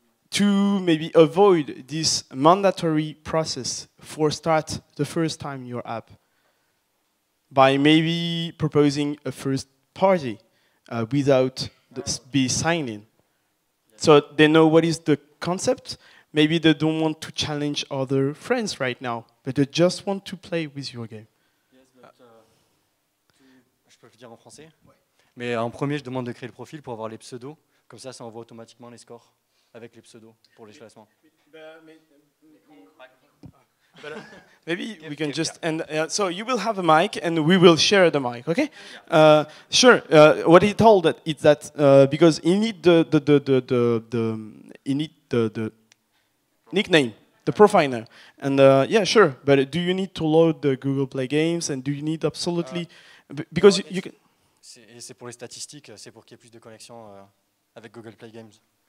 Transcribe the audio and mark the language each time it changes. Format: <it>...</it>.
<en>to maybe avoid this mandatory process for start the first time your app by maybe proposing a first party without be signing. So they know what is the concept. Maybe they don't want to challenge other friends right now, but they just want to play with your game. Yes, but</en> <fr>je peux le dire en français. Ouais. Mais en premier, je demande de créer le profil pour avoir les pseudos. Comme ça, ça envoie automatiquement les scores avec les pseudos pour les classements.</fr> <en>Maybe we can just end. So you will have a mic, and we will share the mic. Okay? Sure. What he told it is that because he need the nickname, the profile name, and yeah, sure. But do you need to load the Google Play games, and do you need absolutely because you can?</en> <fr>C'est pour les statistiques. C'est pour qu'il y ait plus de connexion avec Google Play games.</fr>